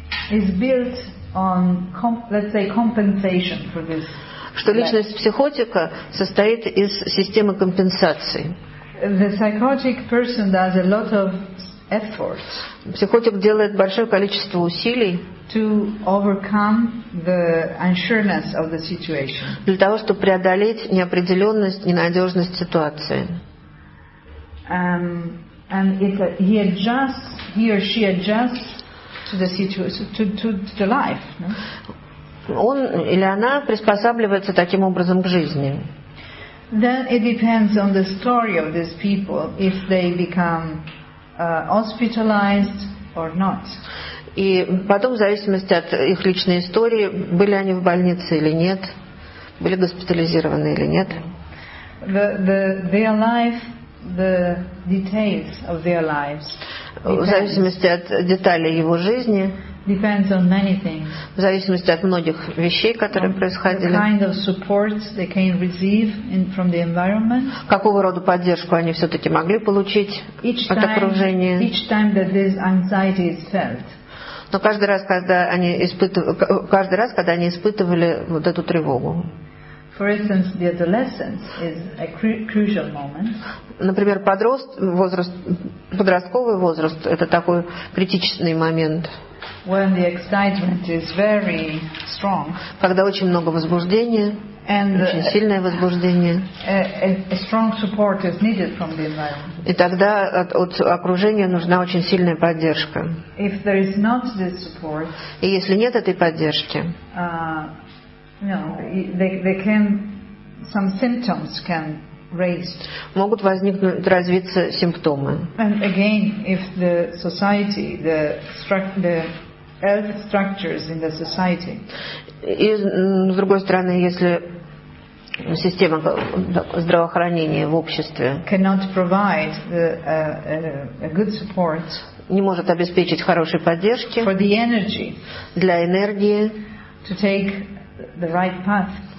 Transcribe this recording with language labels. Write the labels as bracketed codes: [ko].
[en] is built on, let's say, compensation for this. [ru] Что личность психотика состоит из системы компенсации. [en] The psychotic person does a lot of effort. [ru] Психотик делает большое количество усилий. [en] To overcome the unsureness of the situation. [ru] Для того, чтобы преодолеть неопределенность, ненадежность ситуации. [en] And if he adjusts, he or she adjusts to the situation, to the life. No? [ru] Он или она приспосабливается таким образом к жизни. [en] Then it depends on the story of these people if they become hospitalized or not. [ru] И потом, в зависимости от их личной истории, были они в больнице или нет, были госпитализированы или нет. [en] Their life, the details of their lives. [ru] В зависимости от деталей его жизни. [en] Depends on many things. [ru] В зависимости от многих вещей, которые происходили. [en] The kind of support they can receive from the environment. [ru] Какого рода поддержку они все-таки могли получить от окружения. [en] Each time that this anxiety is felt. [ru] Но каждый раз, когда они испытывали вот эту тревогу. [en] For instance, the adolescence is a crucial moment. [ru] Например, подростковый возраст – это такой критичный момент. [en] When the excitement is very strong. [ru] Когда очень много возбуждения. [en] And [ru] очень сильное возбуждение. [en] A strong support is needed from the environment. [ru] И тогда от окружения нужна очень сильная поддержка. [en] If there is not this support, [ru] и если нет этой поддержки, [en] they can, some symptoms can raise. [ru] Могут возникнуть, развиться симптомы. [en] And again, if the society, the health structures in the society. [ru] И с другой стороны, если система здравоохранения в обществе [en] cannot provide a good support, [ru] не может обеспечить хорошей поддержки [en] for the energy, [ru] для энергии [en] to take the right path,